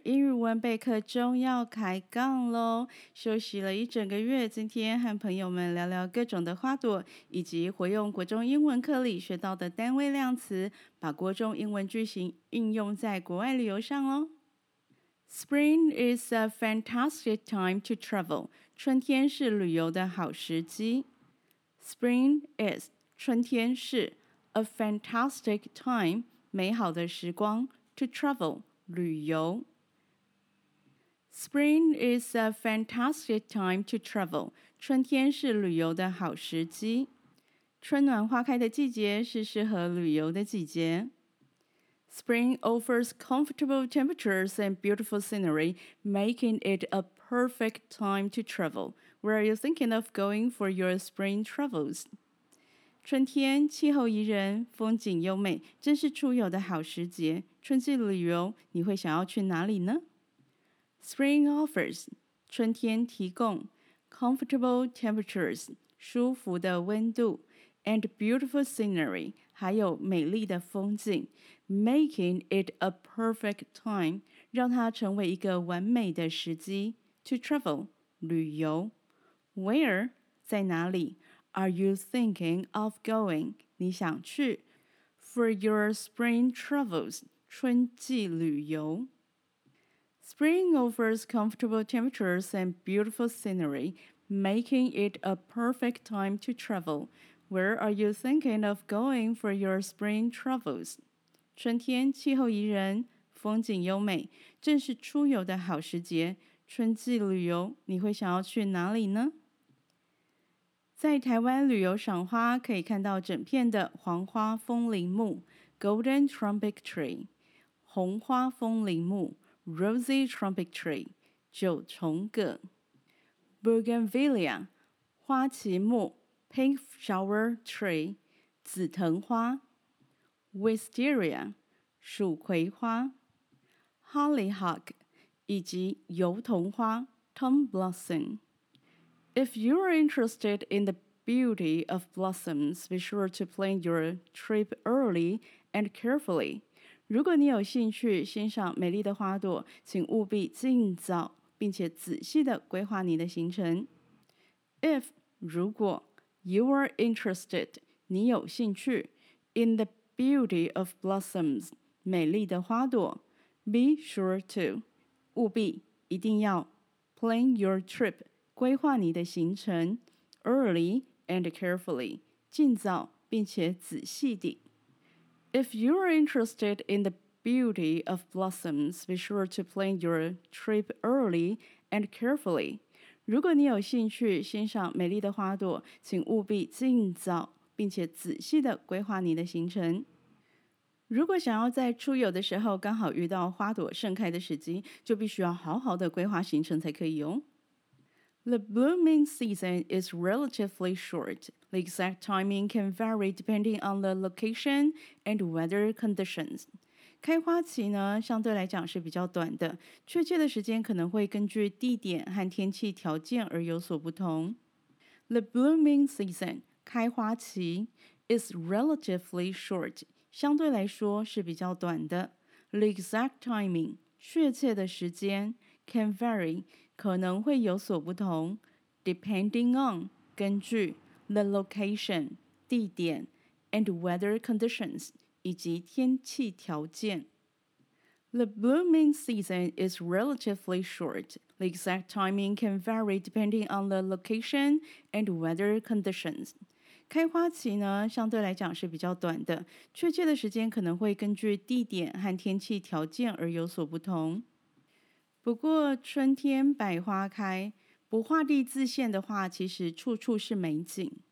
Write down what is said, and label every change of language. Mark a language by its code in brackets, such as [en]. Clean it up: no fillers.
[zh] 英语文备课终要开杠咯。休息了一整个月，今天和朋友们聊聊各种的花朵，以及活用国中英文课里学到的单位量词，把国中英文句型运用在国外旅游上咯。 [en] Spring is a fantastic time to travel. [zh] 春天是旅游的好时机。 [en] Spring is, [zh] 春天是 [en] a fantastic time, [zh] 美好的时光。 [en] To travel, [zh] 旅游。 [en] Spring is a fantastic time to travel. [zh] 春天是旅游的好时机。春暖花开的季节是适合旅游的季节。 [en] Spring offers comfortable temperatures and beautiful scenery, making it a perfect time to travel. Where are you thinking of going for your spring travels? [zh] 春天气候宜人，风景优美，真是出游的好时节。春季旅游，你会想要去哪里呢？ [en] Spring offers [zh] 春天提供 [en] comfortable temperatures [zh] 舒服的温度 [en] and beautiful scenery [zh] 还有美丽的风景 [en] making it a perfect time [zh] 让它成为一个完美的时机 [en] to travel [zh] 旅游 [en] Where [zh] 在哪里 [en] are you thinking of going [zh] 你想去 [en] for your spring travels [zh] 春季旅游 [en] Spring offers comfortable temperatures and beautiful scenery, making it a perfect time to travel. Where are you thinking of going for your spring travels? [zh] 春天气候宜人，风景优美，正是出游的好时节。春季旅游，你会想要去哪里呢？在台湾旅游赏花，可以看到整片的黄花风铃木 Golden Trumpet Tree。 [en] 红花风铃木 Rosy Trumpet Tree 九重葛 Bougainvillea 花旗木 Pink Flower Tree 紫藤花 Wisteria 蜀葵花 Hollyhock 以及油桐花 Tom Blossom If you are interested in the beauty of blossoms, be sure to plan your trip early and carefully. [zh] 如果你有兴趣欣赏美丽的花朵，请务必尽早并且仔细地规划你的行程。 If, 如果 you are interested, 你有兴趣 in the beauty of blossoms, 美丽的花朵 be sure to, 务必一定要 plan your trip, 规划你的行程 early and carefully, 尽早并且仔细地。 [en] If you are interested in the beauty of blossoms, be sure to plan your trip early and carefully. [zh] 如果你有兴趣欣赏美丽的花朵，请务必尽早并且仔细地规划你的行程。如果想要在出游的时候刚好遇到花朵盛开的时机，就必须要好好地规划行程才可以哦。 [en] The blooming season is relatively short. The exact timing can vary depending on the location and weather conditions. [zh] 开花期呢，相对来讲是比较短的，确切的时间可能会根据地点和天气条件而有所不同。 [en] The blooming season, [zh] 开花期 [en] is relatively short. [zh] 相对来说是比较短的。 [en] The exact timing, [zh] 确切的时间 [en] can vary. [zh] 可能会有所不同 [en] depending on [zh] 根据 [en] the location [zh] 地点 [en] and weather conditions [zh] 以及天气条件 [en] The blooming season is relatively short. The exact timing can vary depending on the location and weather conditions. [zh] 开花期呢，相对来讲是比较短的，确切的时间可能会根据地点和天气条件而有所不同。不过春天百花开，不画地自限的话，其实处处是美景。